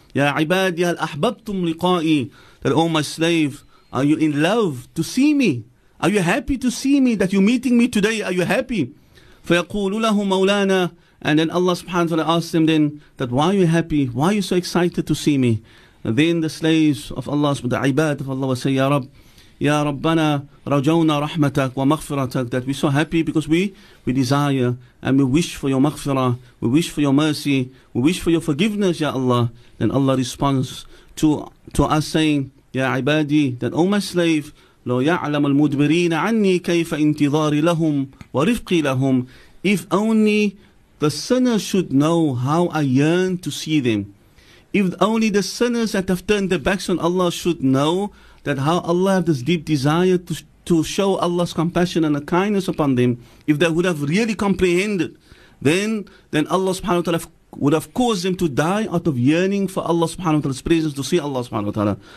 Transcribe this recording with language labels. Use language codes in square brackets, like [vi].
[ar] يا عبادي هل أحببتم لقائي. [en] That, oh my slave, are you in love to see me? Are you happy to see me? That you're meeting me today? Are you happy? فيقول له مولانا. And then Allah subhanahu wa ta'ala asks them then, that why are you happy? Why are you so excited to see me? And then the slaves of Allah, the عباد of Allah will say, Ya ربنا رجونا رحمتك ومغفرتك. That we're so happy because we desire and we wish for your maghfirah, we wish for your mercy, we wish for your forgiveness, Ya Allah. Then Allah responds to us saying, Ya عبادي, that oh my slave, لو يعلم المدبرين عني كيف انتظاري لهم ورفقي لهم. If only the sinners should know how I yearn to see them. If only the sinners that have turned their backs on Allah should know that how Allah has this deep desire to show Allah's compassion and kindness upon them. If they would have really comprehended, then Allah subhanahu wa ta'ala would have caused them to die out of yearning for Allah subhanahu wa ta'ala's presence, to see Allah subhanahu wa ta'ala.